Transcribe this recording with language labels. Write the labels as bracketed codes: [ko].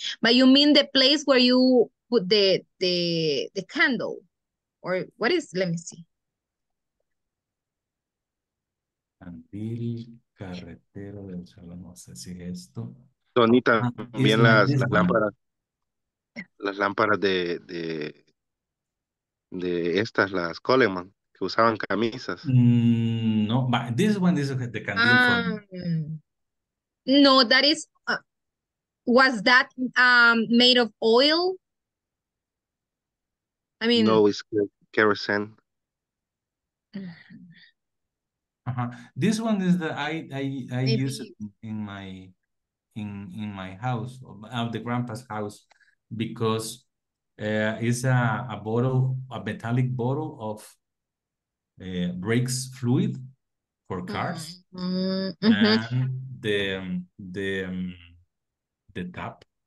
[en] But you mean the place where you put the candle? Or what is, let me see. [es] Candil, carretero del salón, no sé si esto. Donita, también las lámparas. Las lámparas de estas, las Coleman, que usaban camisas. [en] No, but this one is the candil. No, that is, was that made of oil? I mean, no, it's kerosene. Uh-huh. This one is the I use it in my house, of the grandpa's house, because it's a bottle, a metallic bottle of brakes fluid for cars, and the tap.